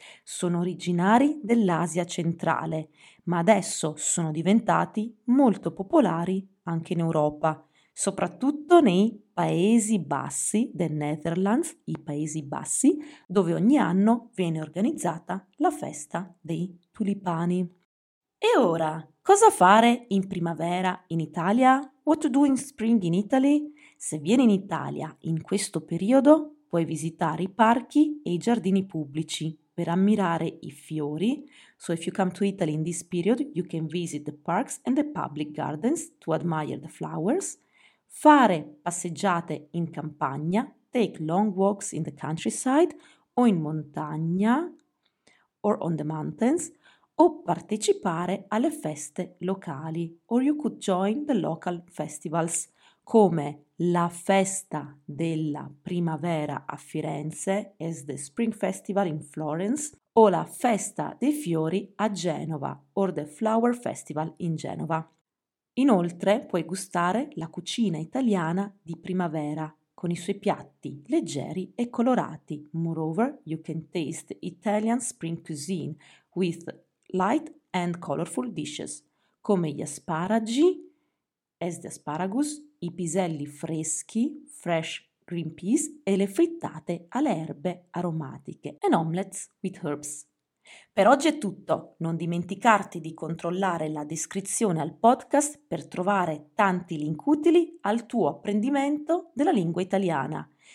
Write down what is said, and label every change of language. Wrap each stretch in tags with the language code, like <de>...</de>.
<it>Sono originari dell'Asia centrale, ma adesso sono diventati molto popolari anche in Europa, soprattutto nei Paesi Bassi, the Netherlands, i Paesi Bassi, dove ogni anno viene organizzata la festa dei tulipani. E ora, cosa fare in primavera in Italia?</it> <en>What to do in spring in Italy?</en> <it>Se vieni in Italia in questo periodo, puoi visitare i parchi e i giardini pubblici per ammirare i fiori.</it> <en>So if you come to Italy in this period, you can visit the parks and the public gardens to admire the flowers.</en> <it>Fare passeggiate in campagna,</it> <en>take long walks in the countryside</en> <it>o in montagna</it> <en>or on the mountains,</en> <it>o partecipare alle feste locali,</it> <en>or you could join the local festivals</en> <it>come la festa della primavera a Firenze</it> <en>as the spring festival in Florence</en> <it>o la festa dei fiori a Genova</it> <en>or the flower festival in Genova.</en> <it>Inoltre puoi gustare la cucina italiana di primavera, con i suoi piatti leggeri e colorati.</it> <en>Moreover, you can taste Italian spring cuisine with light and colorful dishes,</en> <it>come gli asparagi,</it> <en>as the asparagus,</en> <it>i piselli freschi,</it> <en>fresh green peas,</en> <it>e le frittate alle erbe aromatiche,</it> <en>and omelets with herbs.</en> <it>Per oggi è tutto, non dimenticarti di controllare la descrizione al podcast per trovare tanti link utili al tuo apprendimento della lingua italiana.</it>